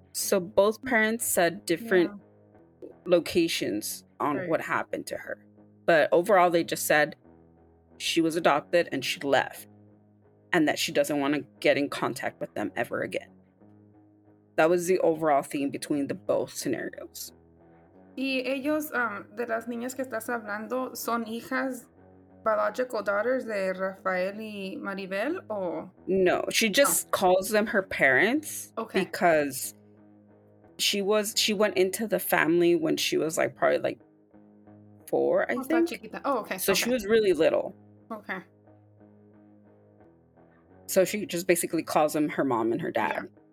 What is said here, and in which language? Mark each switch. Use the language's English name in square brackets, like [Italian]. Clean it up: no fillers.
[English] So both parents said different locations on what happened to her. But overall, they just said she was adopted and she left. And that she doesn't want to get in contact with them ever again. That was the overall theme between the both scenarios. [Spanish] Y ellos, de las niñas que estás hablando, ¿son hijas, [English] biological daughters [Spanish] de Rafael y Maribel, o...? [English] No, she just calls them her parents. Okay. Because she went into the family when she was, like, probably, like, 4, I think. [Spanish] Chiquita. [English] Oh, okay. So she was really little. Okay. So she just basically calls them her mom and her dad. Yeah.